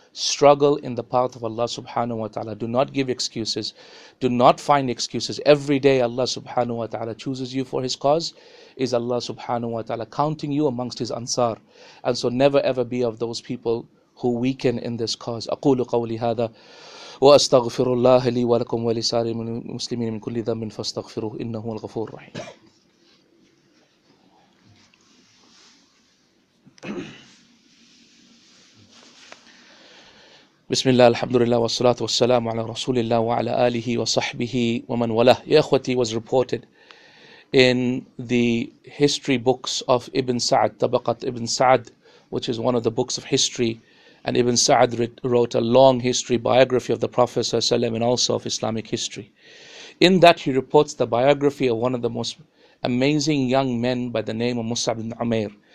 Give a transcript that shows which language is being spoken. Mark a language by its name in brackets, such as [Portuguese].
[English] Struggle in the path of Allah subhanahu wa ta'ala. Do not give excuses. Do not find excuses. Every day Allah subhanahu wa ta'ala chooses you for his cause. Is Allah subhanahu wa ta'ala counting you amongst his ansar. And so never ever be of those people who weaken in this cause. [Arabic] أقول قولي هذا وأستغفر الله لي ولكم ولسائر المسلمين من كل ذنب فاستغفروه إنه الغفور الرحيم. بسم الله الحمد لله والصلاة والسلام على رسول الله وعلى آله وصحبه ومن وله. يا أخوتي, [English] was reported in the history books of Ibn Sa'd, Tabaqat Ibn Sa'd, which is one of the books of history, and Ibn Sa'd wrote a long history biography of the Prophet صلى الله عليه وسلم and also of Islamic history. In that he reports the biography of one of the most amazing young men by the name of Mus'ab ibn Umair.